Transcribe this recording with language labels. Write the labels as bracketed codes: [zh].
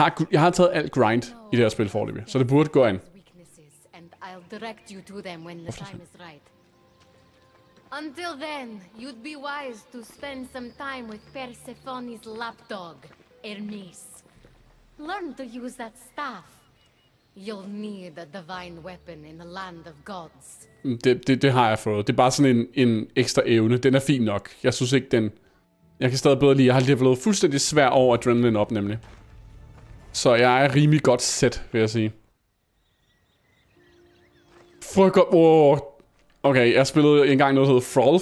[da] Jeg har taget alt grind i det her spil forløbig, så det burde gå an. [en] And I'll direct you to them when the time is right. Until then, you'd be wise to spend some time with Persephone's lapdog, Hermes. Learn to use that staff. You'll need a divine weapon in the land of gods. [da] Det har jeg fået. Det er bare sådan en ekstra evne. Den er fin nok. Jeg synes ikke den. Jeg kan stadig bedre lide. Jeg har levelet fuldstændig svær over adrenaline op nemlig. Så jeg er rimelig godt set, vil jeg sige. Fuck up. Okay, jeg spillede engang noget der hedder Frolf.